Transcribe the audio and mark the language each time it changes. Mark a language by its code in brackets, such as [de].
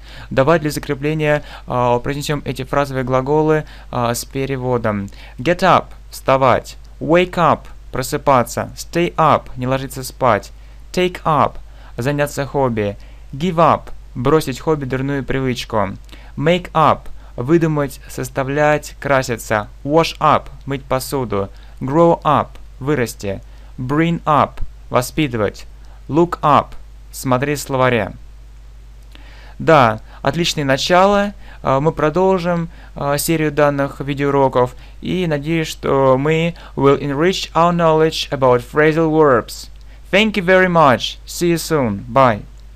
[ru] Давай для закрепления произнесем эти фразовые глаголы с переводом. [en] Get up – [ru] вставать. [en] Wake up – [ru] просыпаться. Stay up – не ложиться спать. Take up – заняться хобби. Give up – бросить хобби, дурную привычку. Make up – выдумать, составлять, краситься. Wash up – мыть посуду. [en] Grow up – [ru] вырасти. [en] Bring up – [ru] воспитывать. Look up – смотреть в словаре. Да, отличное начало. Мы продолжим серию данных видеоуроков и надеюсь, что мы [en] will enrich our knowledge about phrasal verbs. Thank you very much. See you soon. Bye.